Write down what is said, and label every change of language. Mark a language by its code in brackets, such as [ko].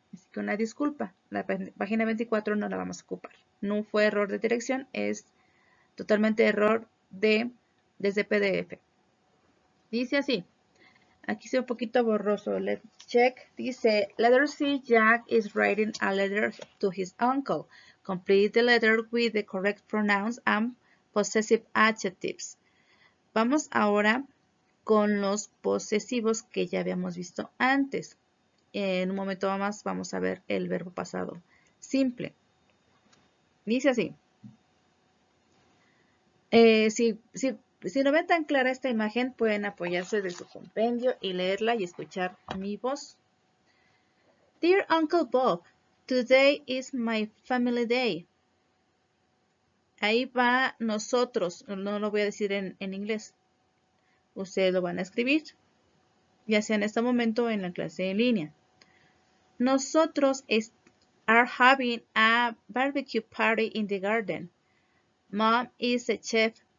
[es] Así que una disculpa, la página 24 no la vamos a ocupar. No fue error de dirección, es totalmente error desde PDF. Dice así. Aquí se ve un poquito borroso. [en] Let's check. Dice, letter C, Jack is writing a letter to his uncle. Complete the letter with the correct pronouns and possessive adjectives. [es] Vamos ahora con los posesivos que ya habíamos visto antes. En un momento más vamos a ver el verbo pasado. Simple. Dice así. Si no ven tan clara esta imagen, pueden apoyarse de su compendio y leerla y escuchar mi voz. [en] Dear Uncle Bob, today is my family day. [es] Ahí va nosotros. No lo voy a decir en inglés. Ustedes lo van a escribir, ya sea en este momento o en la clase en línea. [en] Nosotros are having a barbecue party in the garden. Mom is the chef.